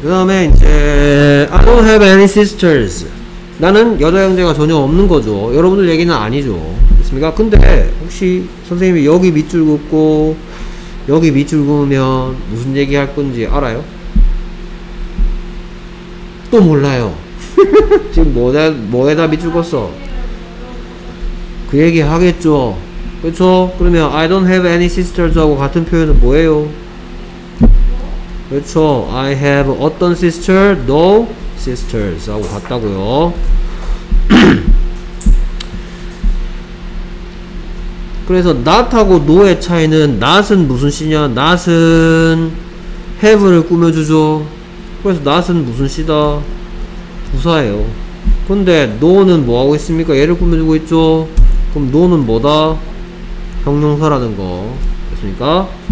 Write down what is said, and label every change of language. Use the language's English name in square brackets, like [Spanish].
[Korean] 그 다음에 이제 [English] I don't have any sisters. [Korean] 나는 여자 형제가 전혀 없는 거죠. 여러분들 얘기는 아니죠. 됐습니까? 근데 혹시 선생님이 여기 밑줄 긋고 여기 밑줄 긋으면 무슨 얘기 할 건지 알아요? 또 몰라요. 지금 뭐에다 밑줄 긋어? 그 얘기 하겠죠. 그렇죠? 그러면 [English] I don't have any sisters [Korean] 하고 같은 표현은 뭐예요? 그렇죠. [English] I have 어떤 sister, no sisters [Korean] 하고 같다고요. 그래서 not하고 no의 차이는 not은 무슨 시냐? not은 have를 꾸며주죠. 그래서 not은 무슨 시다? 부사예요. 근데 no는 뭐하고 있습니까? 얘를 꾸며주고 있죠. 그럼 no는 뭐다? 형용사라는 거. 됐습니까?